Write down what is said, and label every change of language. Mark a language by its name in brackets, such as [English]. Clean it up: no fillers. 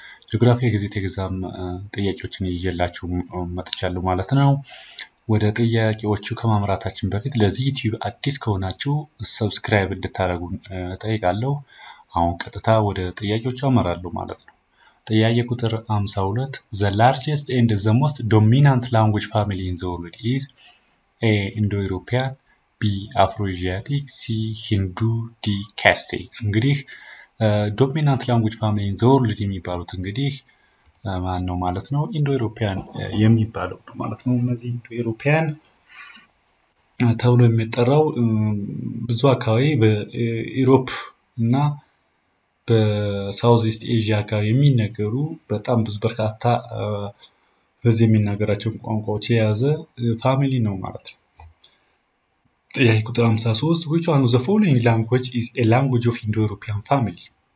[Amharic] ጂኦግራፊ ጊዜ ኤግዛም ጥያቄዎችን ይዤላችሁ መጥቻለሁ ማለት ነው። ወደ ጥያቄዎቹ ከማምራታችን በፊት ለዚህ ዩቲዩብ አዲስ ከሆናችሁ ሰብስክራይብ እንድታደርጉ እጠይቃለሁ። አሁን ቀጥታ ወደ ጥያቄዎቹ አመራለሁ ማለት ነው። ጥያቄ ቁጥር 52 [English] The largest and the most dominant language family in the world is A. indo-european B. afro-asiatic C. hindu D. [Amharic] caste እንግዲህ [English] dominant language family in the world [Amharic] የሚባሉት እንግዲህ ማን ነው ማለት ነው? indo-european የሚባለው ነው ማለት ነው። እነዚህ indo-european ተብሎ የሚጠራው ብዙ አካባቢ በኢሮፕ እና በሳውዝኢስት ኤዥያ አካባቢ የሚነገሩ በጣም ብዙ በርካታ ህዝብ የሚናገራቸው ቋንቋዎች የያዘ ፋሚሊ ነው ማለት ነው። ጥያቄ ቁጥር 53 [English] which one of the following language is a language of indo-european family?